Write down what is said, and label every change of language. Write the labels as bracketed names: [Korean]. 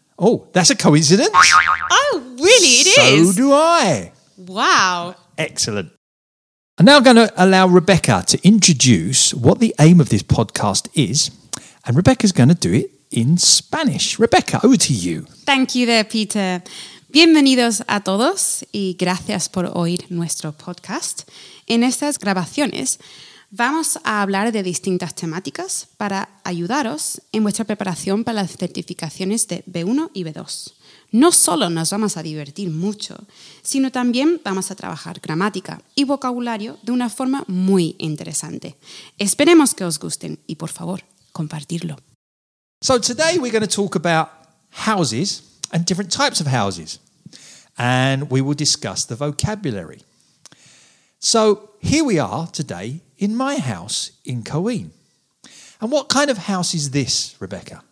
[English] Oh, that's a coincidence. Oh, really, it is? So do I. Wow. Excellent. I'm now going to allow Rebecca to introduce what the aim of this podcast is, and Rebecca's going to do it in Spanish. Rebecca, over to you. Thank you there, Peter. [Spanish] Bienvenidos a todos y gracias por oír nuestro podcast. En estas grabaciones vamos a hablar de distintas temáticas para ayudaros en vuestra preparación para las certificaciones de B1 y B2. No solo nos vamos a divertir mucho, sino también vamos a trabajar gramática y vocabulario de una forma muy interesante. Esperemos que os gusten y, por favor, compartirlo. [English] So today we're going to talk about houses and different types of houses, and we will discuss the vocabulary. So here we are today in my house in Coín. And what kind of house is this, Rebecca?